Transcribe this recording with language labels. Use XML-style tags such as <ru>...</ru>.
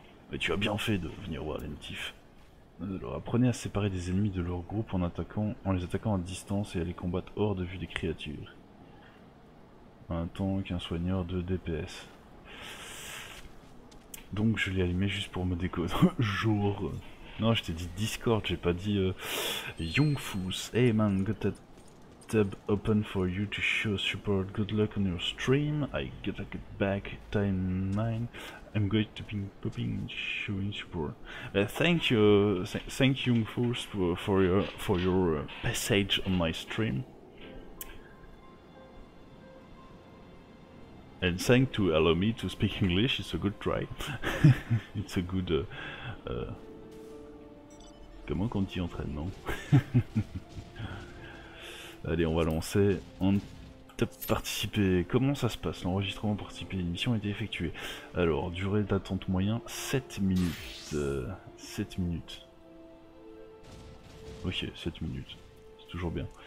<fr>Mais tu as bien fait de venir voir les notifs. Alors, apprenez à séparer des ennemis de leur groupe en les attaquant à distance et à les combattre hors de vue des créatures. Un tank, un soigneur, 2 DPS. Donc je l'ai allumé juste pour me décoder. Jour. Non, je t'ai dit Discord, j'ai pas dit Youngfus.</fr> <en>Hey man, got a tab open for you to show support. Good luck on your stream. I gotta get back. Time 9. I'm going to be popping showing support. Thank you Youngfus for your passage on my stream. And thanks to allow me to speak English, it's a good try. It's a good...</en> <fr>Comment qu'on dit entraînement? Allez, on va lancer. On t'a participé. Comment ça se passe? L'enregistrement pour participer à une mission a été effectué. Alors, durée d'attente moyen, 7 minutes. 7 minutes. Ok, 7 minutes. C'est toujours bien.</fr>